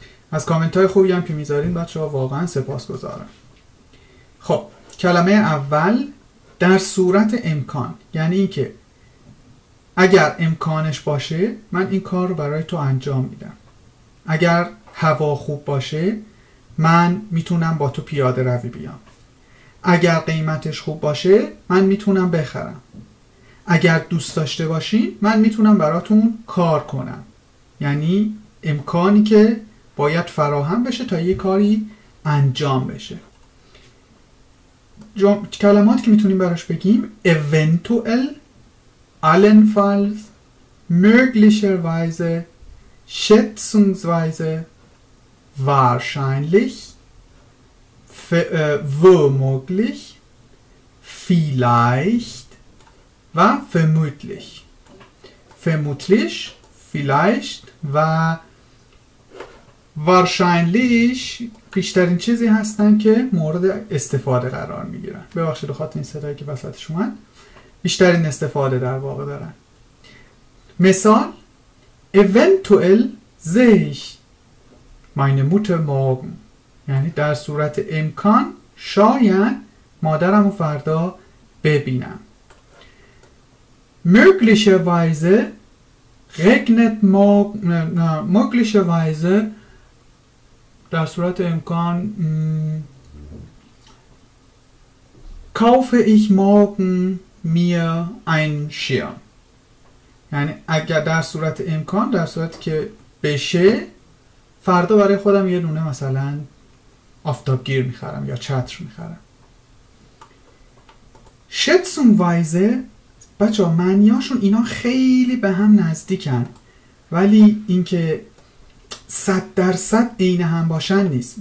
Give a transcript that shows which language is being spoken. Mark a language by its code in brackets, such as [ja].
[fa] از کامنت های خوبی هم که میذارین بچه ها واقعا سپاسگزارم. خب، کلمه اول در صورت امکان، یعنی این که اگر امکانش باشه من این کار رو برای تو انجام میدم، اگر هوا خوب باشه من میتونم با تو پیاده روی بیام، اگر قیمتش خوب باشه من میتونم بخرم، اگر دوست داشته باشین من میتونم براتون کار کنم. یعنی امکانی که باید فراهم بشه تا یه کاری انجام بشه. کلماتی که میتونیم براش بگیم eventuell، allenfalls، möglicherweise، schätzungsweise، wahrscheinlich، womöglich، vielleicht و vermutlich. Vermutlich، vielleicht و وارشاینلیش بیشترین چیزی هستن که مورد استفاده قرار میگیرن. ببخشید بخاطر این صدایی که وسطش اومد، بیشترین استفاده در واقع دارن. [de] مثال: eventuell sehe ich meine Mutter morgen. [fa] یعنی در صورت امکان شاید مادرمو فردا ببینم. [de] möglicherweise regnet morgen. möglicherweise [fa] در صورت امکان [de] kaufe ich morgen mir ein Schirm. [fa] یعنی اگر در صورت امکان، در صورتی که بشه، فردا برای خودم یه دونه مثلا آفتابگیر میخرم یا چتر میخرم. schätzungsweise، بچه ها معنیاشون اینا خیلی به هم نزدیکن ولی اینکه 100% عین هم باشن نیست.